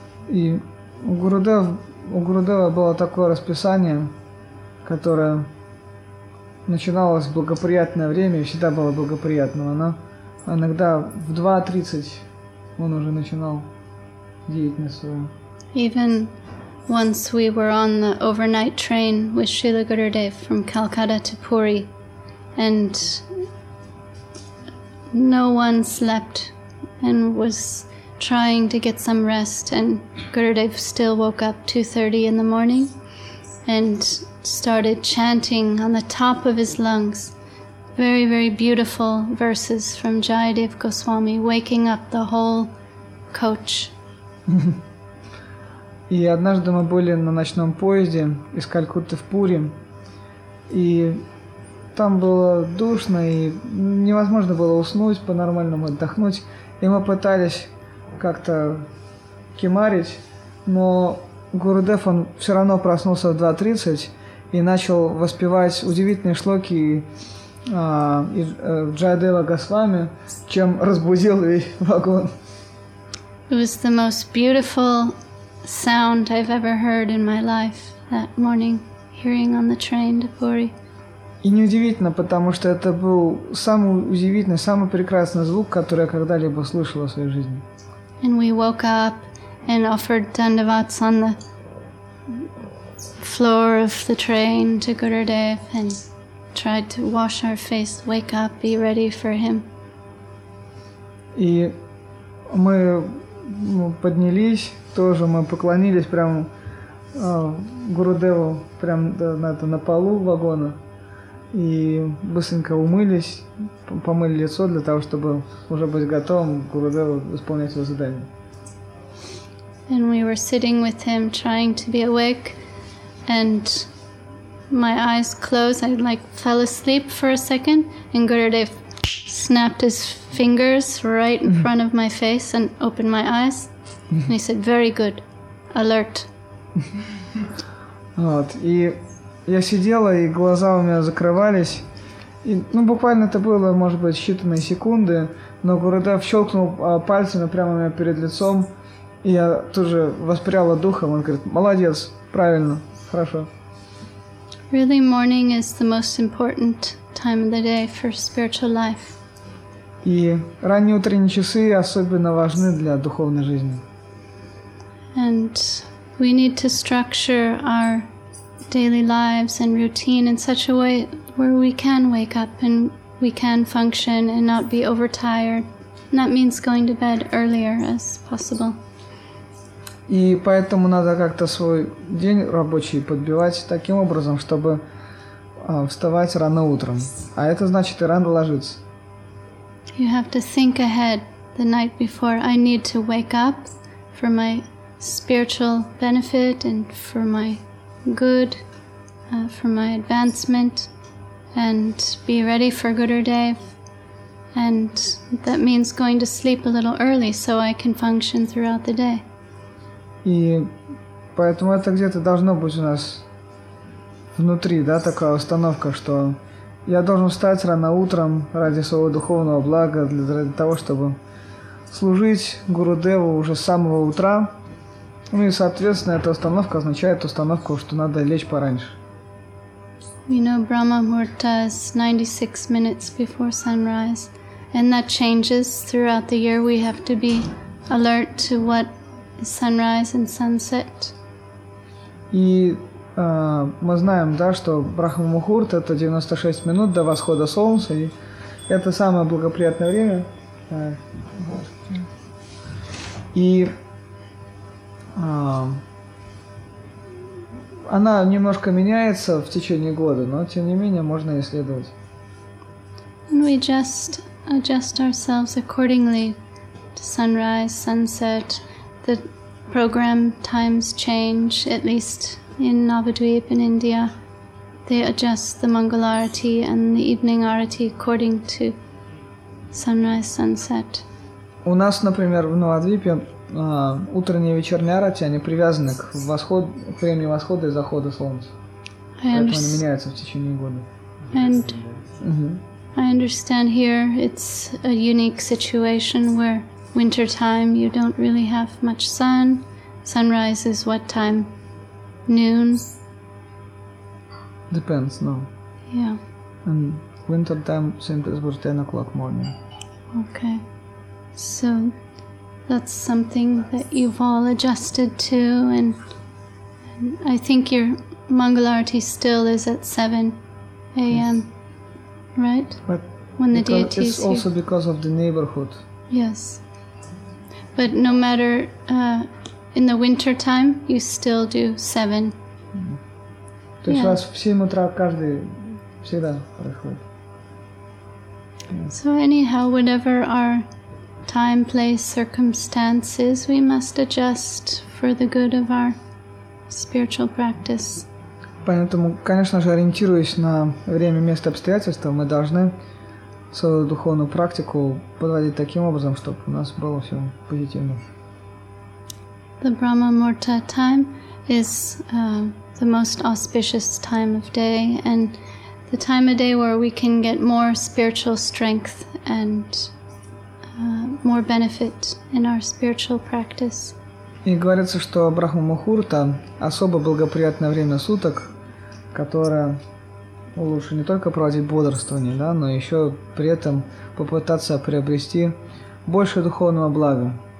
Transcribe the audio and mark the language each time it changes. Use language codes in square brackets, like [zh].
[ru] И у Гурудева было такое расписание, которое начиналось в благоприятное время, и всегда было благоприятным. Но иногда в 2:30 он уже начинал деятельность свою. [en] Even once we were on the overnight train with Srila Gurudev from Calcutta to Puri, and no one slept and was trying to get some rest, and Gurudev still woke up 2:30 in the morning and started chanting on the top of his lungs very, very beautiful verses from Jayadev Goswami, waking up the whole coach. [ru] И однажды мы были на ночном поезде из Калькутты в Пури, и там было душно, и невозможно было уснуть, по-нормальному отдохнуть, и мы пытались как-то кемарить, но Гурудев, он все равно проснулся в 2:30 и начал воспевать удивительные шлоки Джайдева Госвами, чем разбудил весь вагон. [en] It was the most beautiful sound I've ever heard in my life that morning, hearing on the train to Puri. [ru] И неудивительно, потому что это был самый удивительный, самый прекрасный звук, который я когда-либо слышал в своей жизни. [en] And we woke up and offered dandavats on the floor of the train to Gurudev and tried to wash our face, wake up, be ready for him. [ru] И мы поднялись, тоже мы поклонились прямо Гурудеву, прямо на полу вагона, и быстренько умылись, помыли лицо для того, чтобы уже быть готовым Гурудеву исполнять его задание. [en] And we were sitting with him, trying to be awake, and my eyes closed, I like fell asleep for a second, and Gurudev snapped his fingers right in front of my face and opened my eyes. And he said, "Very good, alert." [ru] Вот. И я сидела, и глаза у меня закрывались. И, ну, буквально это было, может быть, считанные секунды, но Гурудев щелкнул пальцами прямо у меня перед лицом, и я тут же воспряла духом. Он говорит, "Молодец, правильно, хорошо." [en] Really, morning is the most important time of the day for spiritual life. [ru] И ранние утренние часы особенно важны для духовной жизни. [en] And we need to structure our daily lives and routine in such a way where we can wake up and we can function and not be overtired. And that means going to bed earlier as possible. [ru] И поэтому надо как-то свой день рабочий подбивать таким образом, чтобы вставать рано утром. А это значит и рано ложиться. [en] You have to think ahead the night before. I need to wake up for my spiritual benefit and for my good, for my advancement, and be ready for Gurudev. And that means going to sleep a little early so I can function throughout the day. [ru] И поэтому это где-то должно быть у нас внутри, да, такая установка, что я должен встать рано утром ради своего духовного блага, ради того, чтобы служить Гурудеву уже с самого утра. Ну и, соответственно, эта установка означает установку, что надо лечь пораньше. [en] You know, Brahma Muhurta is 96 minutes before sunrise, and that changes throughout the year. We have to be alert to what sunrise and sunset. [ru] И мы знаем, да, что Брахма Мухурт — это 96 минут до восхода солнца, и это самое благоприятное время. И она немножко меняется в течение года, но тем не менее можно ей следовать. [en] We just adjust ourselves accordingly to sunrise, sunset. The program times change, at least in Navadvip in India. They adjust the Mangalarati and the evening arati according to sunrise, sunset. [ru] У нас, например, в Навадвипе утренние и вечерние арати, они привязаны к времени восхода и захода солнца. Поэтому они меняются в течение года. [en] And I understand here it's a unique situation where winter time you don't really have much sun. Sunrise is what time? Noon? Depends, no. Yeah. And winter time simply is 10 o'clock morning. Okay. So that's something that you've all adjusted to, and I think your Mangalarti still is at 7 a.m., yes. Right? But when the deities, it's also because of the neighborhood. Yes. But no matter in the winter time, you still do 7. [ru] То есть у вас в 7 утра каждый всегда проходит. [en] So anyhow, whatever our time, place, circumstances, we must adjust for the good of our spiritual practice. [ru] Поэтому, конечно же, ориентируясь на время, место, обстоятельства, мы должны свою духовную практику подводить таким образом, чтобы у нас было все позитивно. [en] The Brahma Murta time is the most auspicious time of day, and the time of day where we can get more spiritual strength and more benefit in our spiritual practice. [ru] И говорится, что Брахма Мухурта особо благоприятное время суток, которое лучше не только проводить бодрствование, да, но еще при этом попытаться приобрести больше духовного блага.